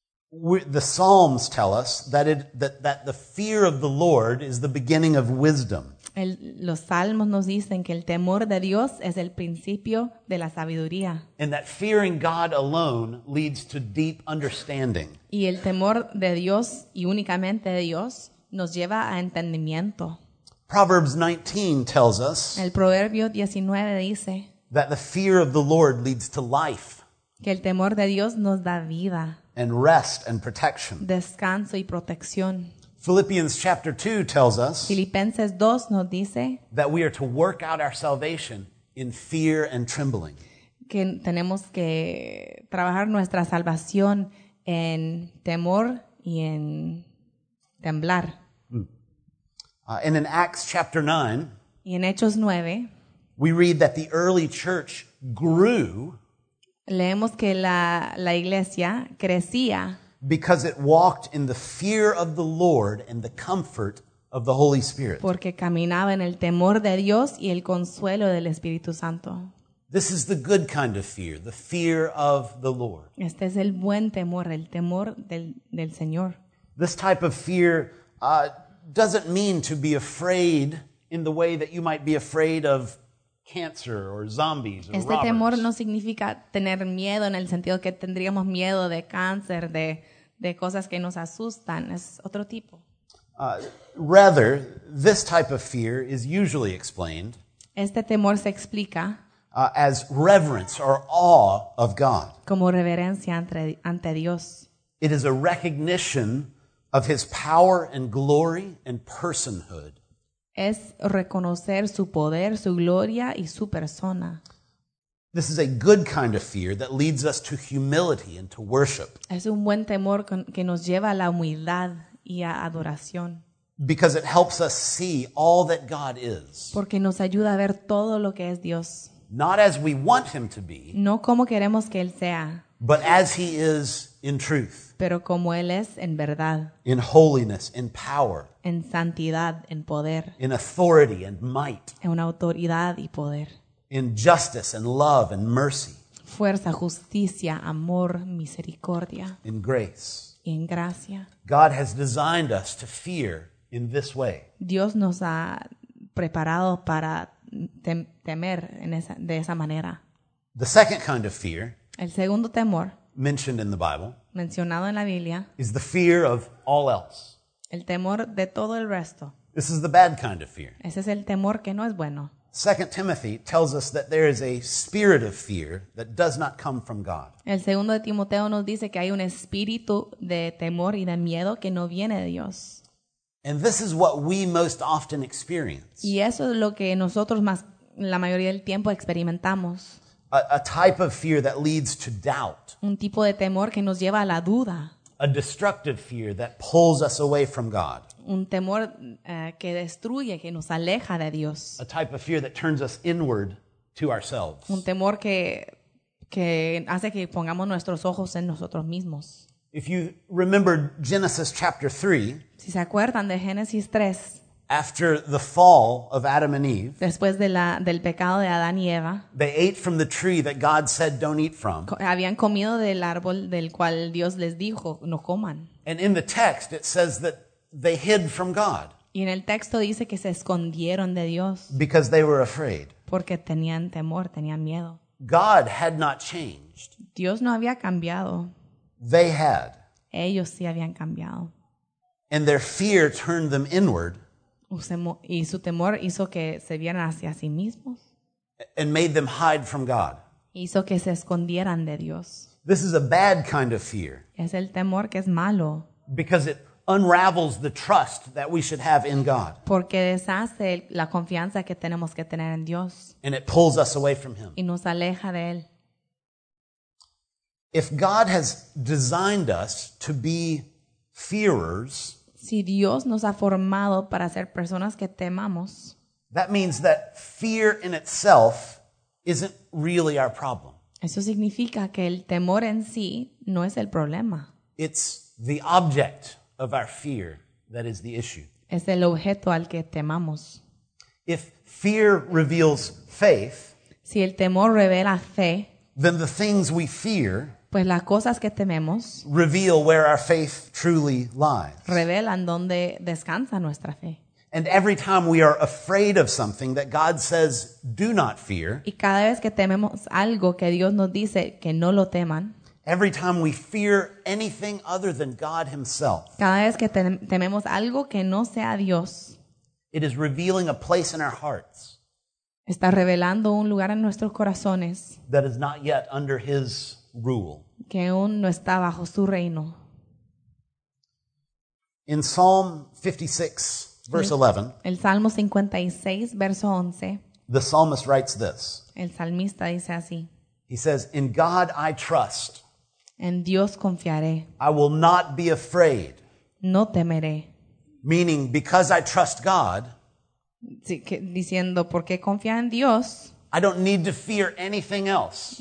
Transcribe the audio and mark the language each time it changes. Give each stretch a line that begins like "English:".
English: The Psalms tell us that the fear of the Lord is the beginning of wisdom.
Spanish: Los salmos nos dicen que el temor de Dios es el principio de la sabiduría.
English: And that fearing God alone leads to deep understanding.
Spanish: Y el temor de Dios y únicamente de Dios nos lleva a entendimiento.
English: Proverbs 19 tells us.
Spanish: El proverbio 19 dice.
English: That the fear of the Lord leads to life.
Spanish: Que el temor de Dios nos da vida.
English: And rest and protection.
Spanish: Descanso y protección.
English: Philippians chapter 2 tells us
Spanish: Filipenses 2 nos dice
English: that we are to work out our salvation in fear and trembling.
Spanish: Que tenemos que trabajar nuestra salvación en temor y en temblar.
English: And in Acts chapter 9,
Spanish: y en Hechos 9,
English: we read that the early church grew.
Spanish: Leemos que la iglesia crecía.
English: Because it walked in the fear of the Lord and the comfort of the Holy Spirit.
Spanish: Porque caminaba en el temor de Dios y el consuelo del Espíritu Santo.
English: This is the good kind of fear, the fear of the Lord.
Spanish: Este es el buen temor, el temor del Señor.
English: This type of fear doesn't mean to be afraid in the way that you might be afraid of cancer or zombies or robbers.
Spanish: Este temor no significa tener miedo en el sentido que tendríamos miedo de cáncer, de cosas que nos asustan. Es otro tipo.
English: Rather, this type of fear is usually explained.
Spanish: Este temor se explica
English: as reverence or awe of God.
Spanish: Como reverencia ante Dios.
English: It is a recognition of His power and glory and personhood.
Spanish: Es reconocer su poder, su gloria y su persona.
English: This is a good kind of fear that leads us to humility and to worship.
Spanish: Es un buen temor que nos lleva a la humildad y a adoración.
English: Because it helps us see all that God is.
Spanish: Porque nos ayuda a ver todo lo que es Dios.
English: Not as we want Him to be.
Spanish: No como queremos que Él sea.
English: But as He is in truth.
Spanish: Pero como Él es en verdad.
English: In holiness, in power.
Spanish: En santidad, en poder.
English: In authority and might.
Spanish: En una autoridad y poder.
English: In justice and love and mercy.
Spanish: Fuerza, justicia, amor, misericordia.
English: In grace.
Spanish: Y en gracia.
English: God has designed us to fear in this way.
Spanish: Dios nos ha preparado para temer de esa manera.
English: The second kind of fear.
Spanish: El segundo temor.
English: Mentioned in the Bible.
Spanish: Mencionado en la Biblia.
English: Is the fear of all else.
Spanish: El temor de todo el resto.
English: This is the bad kind of fear.
Spanish: Ese es el temor que no es bueno.
English: 2 Timothy tells us that there is a spirit of fear that does not come from God.
Spanish: El segundo de Timoteo nos dice que hay un espíritu de temor y de miedo que no viene de Dios.
English: And this is what we most often experience.
Spanish: Y eso es lo que nosotros más la mayoría del tiempo experimentamos.
English: A type of fear that leads to doubt.
Spanish: Un tipo de temor que nos lleva a la duda.
English: A destructive fear that pulls us away from God.
Spanish: Un temor que destruye, que nos aleja de Dios.
English: A type of fear that turns us inward to ourselves.
Spanish: Un temor que hace que pongamos nuestros ojos en nosotros mismos.
English: If you remember Genesis chapter 3.
Spanish: Si se acuerdan de Génesis 3.
English: After the fall of Adam and Eve.
Spanish: Después del pecado de Adán y Eva.
English: They ate from the tree that God said don't eat from.
Spanish: Habían comido del árbol del cual Dios les dijo no coman.
English: And in the text it says that they hid from God.
Spanish: Y en el texto dice que se escondieron de Dios.
English: Because they were afraid.
Spanish: Porque tenían temor, tenían miedo.
English: God had not changed.
Spanish: Dios no había cambiado.
English: They had.
Spanish: Ellos sí habían cambiado.
English: And their fear turned them inward.
Spanish: Y su temor hizo que se vieran hacia sí mismos.
English: And made them hide from God.
Spanish: Hizo que se escondieran de Dios.
English: This is a bad kind of fear.
Spanish: Es el temor que es malo.
English: Because it unravels the trust that we should have in God.
Spanish: Porque deshace la confianza que tenemos que tener en Dios.
English: And it pulls us away from Him.
Spanish: Y nos aleja de Él.
English: If God has designed us to be fearers,
Spanish: si Dios nos ha formado para ser personas que temamos,
English: that means that fear in itself isn't really our problem.
Spanish: Eso significa que el temor en sí no es el problema.
English: It's the object of our fear that is the issue.
Spanish: Es el objeto al que temamos.
English: If fear reveals faith,
Spanish: si el temor revela fe,
English: then the things we fear,
Spanish: pues las cosas que tememos,
English: reveal where our faith truly lies.
Spanish: Revelan donde descansa nuestra fe.
English: And every time we are afraid of something that God says, do not fear.
Spanish: Y cada vez que tememos algo que Dios nos dice que no lo teman.
English: Every time we fear anything other than God himself.
Spanish: Cada vez que tememos algo que no sea Dios.
English: It is revealing a place in our hearts.
Spanish: Está revelando un lugar en nuestros corazones.
English: That is not yet under his rule.
Spanish: Que aún no está bajo su reino.
English: In Psalm 56, verse 11.
Spanish: El Salmo 56, verso 11.
English: The psalmist writes this.
Spanish: El salmista dice así.
English: He says, in God I trust.
Spanish: En Dios confiaré.
English: I will not be afraid.
Spanish: No temeré.
English: Meaning, because I trust God.
Spanish: Diciendo, porque confía en Dios.
English: I don't need to fear anything else.